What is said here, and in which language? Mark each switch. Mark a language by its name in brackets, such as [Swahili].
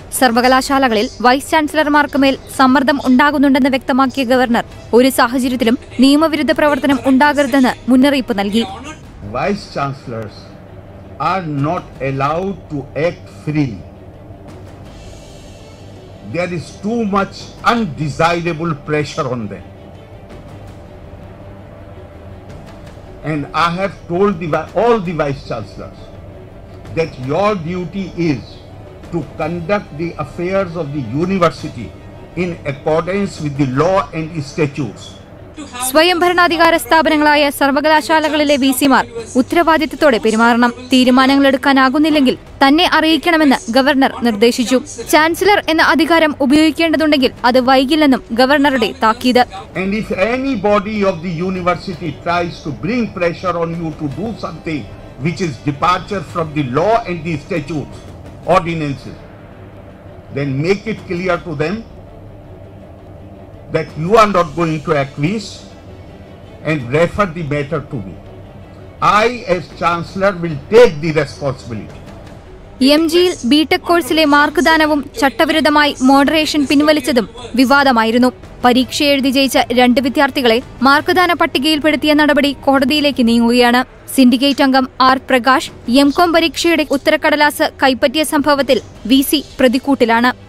[Malayalam] സർവകലാശാലകളിൽ വൈസ് ചാൻസലർമാർക്ക് മേൽ സമ്മർദ്ദം ഉണ്ടാകുന്നുണ്ടെന്ന് വ്യക്തമാക്കിയ ഗവർണർ ഒരു സാഹചര്യത്തിലും നിയമവിരുദ്ധ പ്രവർത്തനം ഉണ്ടാകരുതെന്ന് മുന്നറിയിപ്പ് നൽകി. [English] Vice chancellors are not allowed to act free. There is too much undesirable pressure on them. And I have told all the vice chancellors that your duty is to conduct the affairs of the university in accordance with the law and statutes. [Malayalam] സ്വയംഭരണാധികാര സ്ഥാപനങ്ങളായ സർവകലാശാലകളിലെ V സിമാർ ഉത്തരവാദിത്തത്തോടെ പെരുമാറണം. തീരുമാനങ്ങൾ എടുക്കാനാകുന്നില്ലെങ്കിൽ തന്നെ അറിയിക്കണമെന്ന് governor നിർദ്ദേശിച്ചു. Chancellor എന്ന അധികാരം ഉപയോഗിക്കേണ്ടതുണ്ടെങ്കിൽ അത് വൈകില്ലെന്നും ഗവർണറുടെ താക്കീത്. [English] And if anybody of the university tries to bring pressure on you to do something which is departure from the law and the statutes ordinances, then make it clear to them that you are not going to acquiesce and refer the matter to me. I as chancellor will take the responsibility. [Malayalam] എംജിയിൽ BTech കോഴ്സിലെ മാർക്ക്ദാനവും ചട്ടവിരുദ്ധമായി moderation പിൻവലിച്ചതും വിവാദമായിരുന്നു. പരീക്ഷ എഴുതി ജയിച്ച രണ്ട് വിദ്യാർത്ഥികളെ മാർക്ക്ദാന പട്ടികയിൽപ്പെടുത്തിയ നടപടി കോടതിയിലേക്ക് നീങ്ങുകയാണ്. സിൻഡിക്കേറ്റ് അംഗം ആർ പ്രകാശ് എംകോം പരീക്ഷയുടെ ഉത്തരക്കടലാസ് കൈപ്പറ്റിയ സംഭവത്തിൽ വി സി പ്രതിക്കൂട്ടിലാണ്.